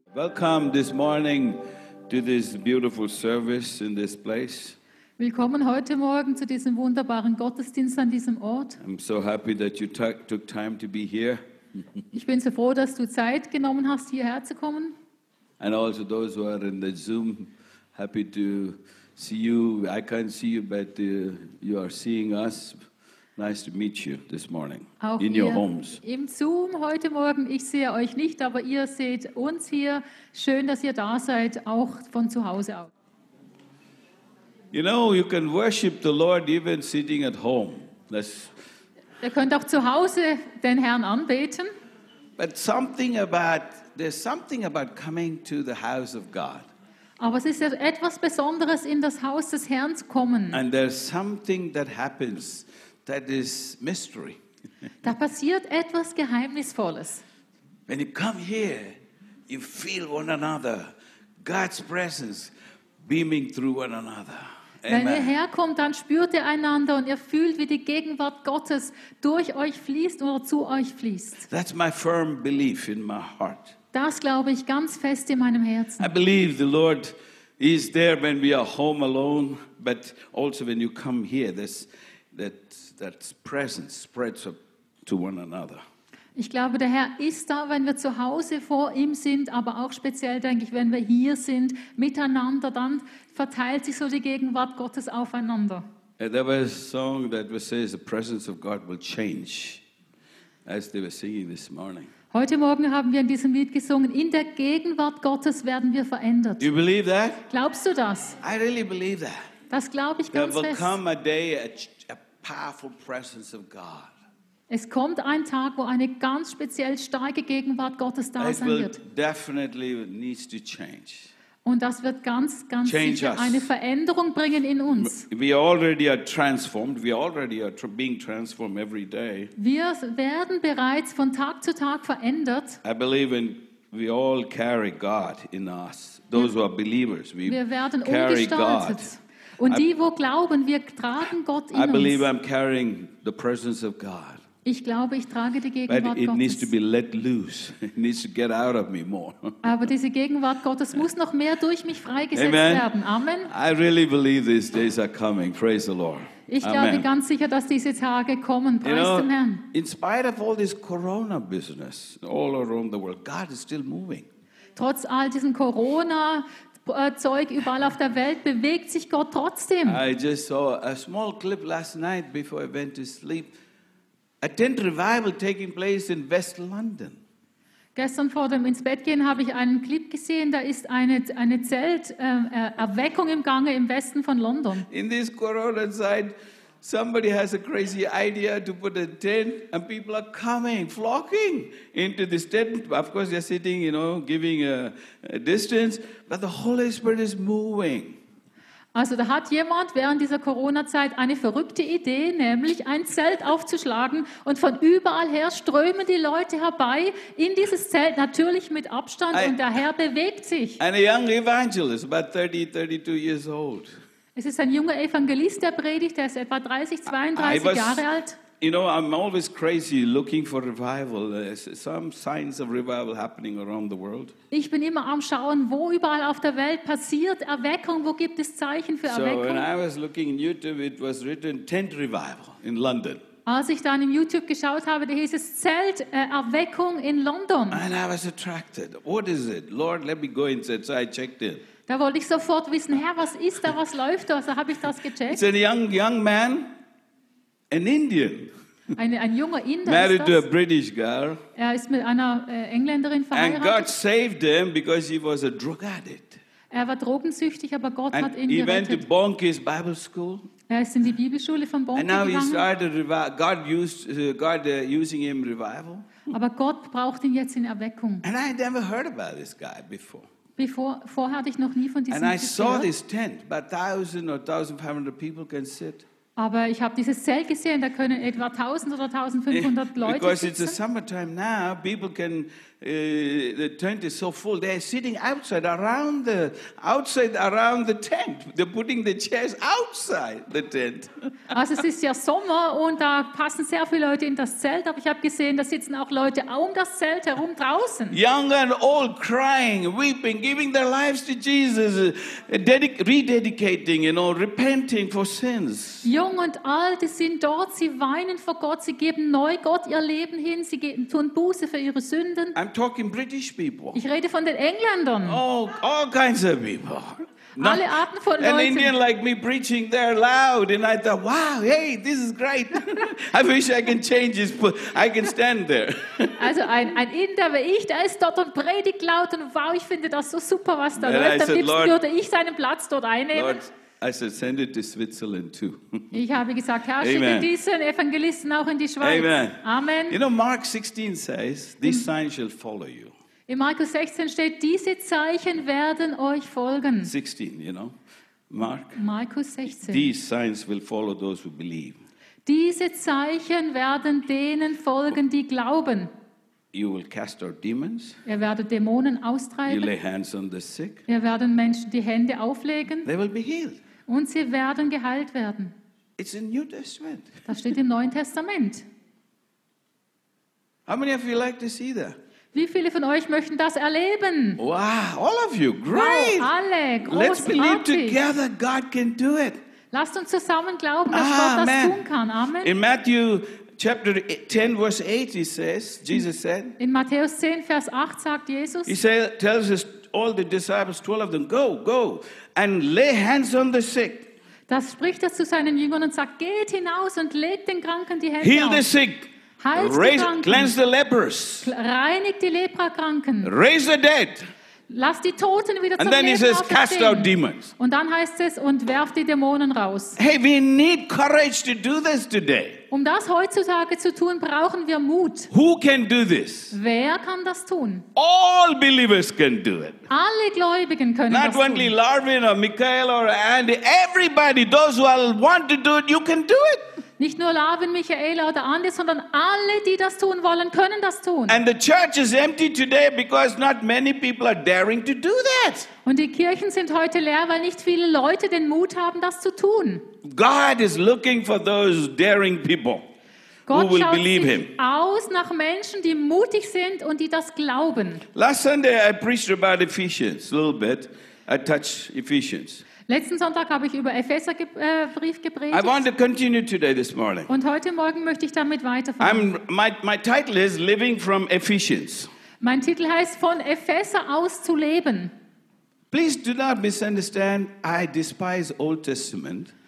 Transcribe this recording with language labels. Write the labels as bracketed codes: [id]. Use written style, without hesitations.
[en] Welcome this morning to this beautiful service in this place. [de] Willkommen heute Morgen zu diesem wunderbaren Gottesdienst an diesem Ort. [en] I'm so happy that you took time to be here. Ich bin so froh, dass du Zeit genommen hast, hierher zu kommen. And also those who are in the Zoom, happy to see you. I can't see you, but you are seeing us. Nice to meet you this morning [de] auch [en] in your homes. [de] Im Zoom heute Morgen, ich sehe euch nicht, aber ihr seht uns hier. Schön, dass ihr da seid, auch von zu Hause aus. [en] You know, you can worship the Lord even sitting at home. That's [de] ihr könnt auch zu Hause den Herrn anbeten. [en] But something about, there's something about coming to the house of God. [de] Aber es ist etwas Besonderes, in das Haus des Herrn zu kommen. [en] And there's something that happens that is mystery. [de] Da passiert etwas Geheimnisvolles. [en] When you come here, you feel one another, God's presence beaming through one another. [de] Wenn ihr herkommt, dann spürt ihr einander und ihr fühlt, wie die Gegenwart Gottes durch euch fließt oder zu euch fließt. [en] That's my firm belief in my heart. [de] Das glaube ich ganz fest in meinem Herzen. [en] I believe the Lord is there when we are home alone, but also when you come here, that presence spreads up to one another. [de] Ich glaube, der Herr ist da, wenn wir zu Hause vor ihm sind, aber auch speziell, denke ich, wenn wir hier sind, miteinander, dann verteilt sich so die Gegenwart Gottes aufeinander. [en] There was a song that says the presence of God will change, as they were singing this morning. [de] Heute Morgen haben wir in diesem Lied gesungen, in der Gegenwart Gottes werden wir verändert. [en] Do you believe that? [de] Glaubst du das? [en] I really believe that. [de] Das glaube ich [en] there [de] ganz fest. [en] There will come a day, a powerful presence of God. [de] Es kommt ein Tag, wo eine ganz speziell starke Gegenwart Gottes da sein wird. [en] Definitely needs to change. [de] Und das wird ganz, ganz [en] change [de] sicher [en] us. [de] Eine Veränderung bringen in uns. [en] We already are transformed. We already are being transformed every day. [de] Wir werden bereits von Tag zu Tag verändert. [en] I believe in we all carry God in us. Those who are believers, [de] wir werden [en] carry God. [de] Und die, wo glauben, wir tragen Gott in uns. [en] I believe I'm carrying the presence of God. [de] Ich glaube, ich trage die Gegenwart Gottes. [en] But it needs to be let loose. It needs to get out of me more. [de] Aber diese Gegenwart Gottes muss noch mehr durch mich freigesetzt werden. [en] Amen. I really believe these days are coming. Praise the Lord. [de] Ich glaube ganz sicher, dass diese Tage kommen. Preis dem Herrn. [en] In spite of all this Corona business all around the world, God is still moving. [de] Trotz all diesem Corona Zeug überall auf der Welt bewegt sich Gott trotzdem. [en] I just saw a small clip last night before I went to sleep. A tent revival taking place in West London. [de] Gestern vor dem ins Bett gehen habe ich einen Clip gesehen, da ist eine Zelterweckung im Gange im Westen von London. [en] In this corona side, somebody has a crazy idea to put a tent and people are coming, flocking into this tent. Of course they're sitting, you know, giving a distance, but the Holy Spirit is moving. [de] Also da hat jemand während dieser Corona-Zeit eine verrückte Idee, nämlich ein Zelt aufzuschlagen und von überall her strömen die Leute herbei in dieses Zelt, natürlich mit Abstand und der Herr bewegt sich. Ein junger Evangelist, [en] about 30, 32 years old. [de] Es ist ein junger Evangelist, der predigt, der ist etwa 30, 32 Jahre alt. [en] You know, I'm always crazy looking for revival. There's some signs of revival happening around the world. [de] Ich bin immer am Schauen, wo überall auf der Welt passiert Erweckung, wo gibt es Zeichen für Erweckung. [en] So when I was looking in YouTube, it was written tent revival in London. [de] Als ich dann im YouTube geschaut habe, da hieß es Zelt Erweckung in London. [en] And I was attracted. What is it? Lord, let me go inside. So I checked in. [de] Da wollte ich sofort wissen, Herr, was ist da, was läuft da? So habe ich das gecheckt. [en] It's a young man. An Indian. [de] Ein junger Inder. [en] Married to a British girl. [de] Er ist mit einer Engländerin verheiratet. [en] And God saved him because he was a drug addict. [de] Er war drogensüchtig, aber Gott hat ihn gerettet. [en] He went to Bonkis Bible School. [de] Er ist in die Bibelschule von Bonkis. [en] And now [de] gegangen. [en] He started using him revival. [de] Aber Gott braucht ihn jetzt in Erweckung. [en] And I had never heard about this guy before. [de] Vorher hatte ich noch nie von diesem [en] And I [de] gehört. [en] Saw this tent, but 1,000 or 1,500 people can sit. [de] Aber ich habe dieses Zelt gesehen, da können etwa 1000 oder 1500 Leute [en] Because [de] sitzen. [en] It's a summertime now, people can the tent is so full. They're sitting outside around the tent. They're putting the chairs outside the tent. [de] Also es ist ja Sommer und da passen sehr viele Leute in das Zelt, aber ich habe gesehen, da sitzen auch Leute um das Zelt herum draußen. [en] Young and old crying, weeping, giving their lives to Jesus, rededicating, you know, repenting for sins. [de] Jung und alt sind dort, sie weinen vor Gott, sie geben neu Gott ihr Leben hin, sie tun Buße für ihre Sünden. [en] I'm talking British people. [de] Ich rede von den Engländern. [en] All kinds of people. [de] Alle Arten von Leuten. [en] An Indian like me preaching there loud, and I thought, wow, hey, this is great. I wish I can change this, but I can stand there. [de] Also ein Inder wie ich, der ist dort und predigt laut und wow, ich finde das so super, was da läuft. Am liebsten würde ich seinen Platz dort einnehmen. [en] Lord, I said, send it to Switzerland too. [de] Ich habe gesagt, Herr, schicke diesen Evangelisten auch in die Schweiz. [en] Amen. You know, Mark 16 says, these signs shall follow you. [de] In Markus 16 steht, diese Zeichen werden euch folgen. [en] 16, you know, Mark. [de] Markus 16. [en] These signs will follow those who believe. [de] Diese Zeichen werden denen folgen, die glauben. [en] You will cast out demons. [de] Ihr werdet Dämonen austreiben. [en] You lay hands on the sick. [de] Ihr werdet Menschen die Hände auflegen. [en] They will be healed. [de] Und sie werden geheilt werden. [en] It's in New Testament. [de] Das steht im Neuen Testament. [en] How many of you like to see that? [de] Wie viele von euch möchten das erleben? [en] Wow, all of you, great! [de] Wow, alle, großartig! [en] Let's believe together, God can do it. [de] Lasst uns zusammen glauben, dass Gott das tun kann. [en] Amen. In Matthew chapter 10, verse 8, he says, Jesus said. [de] In Matthäus 10, Vers 8 sagt Jesus. [en] He say, tells us all the disciples, 12 of them, go and lay hands on the sick. [de] Das spricht er zu seinen Jüngern und sagt, geht hinaus und legt den Kranken die Hände [en] Heal [de] auf. [en] Heal the sick. Cleanse the lepers. [de] Reinigt die Leprakranken. [en] Raise the dead. [de] Lass die Toten wieder zum Leben [en] And then he says, cast out demons. [de] Und dann heißt es und werft die Dämonen raus. [en] Hey, we need courage to do this today. [de] Um das heutzutage zu tun, brauchen wir Mut. [en] Who can do this? [de] Wer kann das tun? [en] All believers can do it. [de] Alle Gläubigen können [en] Not [de] das tun. [en] Not only Larvin or Michael or Andy. Everybody, those who want to do it, you can do it. [de] Nicht nur Larvin, Michaela oder Andi, sondern alle, die das tun wollen, können das tun. [en] And the church is empty today because not many people are daring to do that. [de] Und die Kirchen sind heute leer, weil nicht viele Leute den Mut haben, das zu tun. [en] God is looking for those daring people [de] Gott [en] who will believe [de] sich [en] him. [de] Aus nach Menschen, die mutig sind und die das glauben. [en] Last Sunday I preached about Ephesians a little bit. I touched Ephesians. [de] Letzten Sonntag habe ich über Epheser Brief gepredigt. [en] I want to continue today this morning. [de] Und heute Morgen möchte ich damit weiterfahren. [en] My title is Living from Ephesians. [de] Mein Titel heißt von Epheser aus zu leben. [en] Please do not misunderstand. I despise Old Testament.